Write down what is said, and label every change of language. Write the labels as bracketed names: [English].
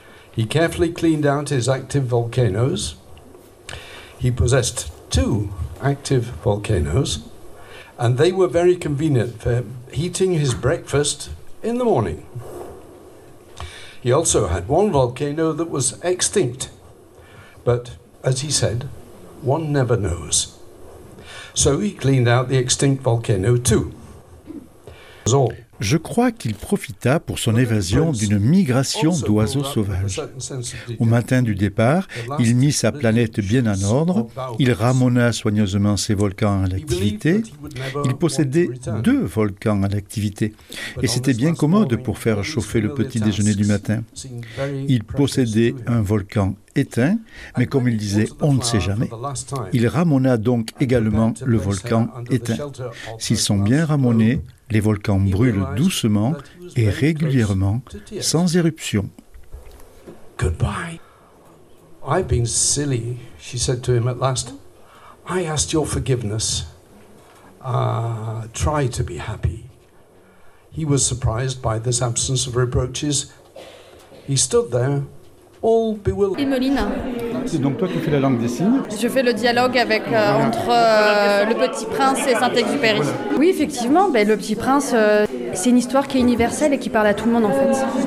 [English] He carefully cleaned out his active volcanoes. He possessed two active volcanoes, and they were very convenient for heating his breakfast in the morning. He also had one volcano that was extinct. But, as he said, one never knows. So he cleaned out the extinct volcano too. [French] Je crois qu'il profita pour son évasion d'une migration d'oiseaux sauvages. Au matin du départ, il mit sa planète bien en ordre, il ramona soigneusement ses volcans à l'activité. Il possédait deux volcans à l'activité, et c'était bien commode pour faire chauffer le petit déjeuner du matin. Il possédait un volcan éteint, mais comme il disait, on ne sait jamais. Il ramona donc également le volcan éteint. S'ils sont bien ramonés, les volcans brûlent doucement et régulièrement, sans éruption. [English] Goodbye. I've been silly, she said to him at last. I asked your forgiveness. Try to be happy. He was surprised by this absence of reproaches. He stood there, all bewildered. [French] Emmeline. C'est donc toi qui fais la langue des signes. Je fais le dialogue avec, entre le Petit Prince et Saint-Exupéry. Oui, effectivement, ben, le Petit Prince, c'est une histoire qui est universelle et qui parle à tout le monde, en fait.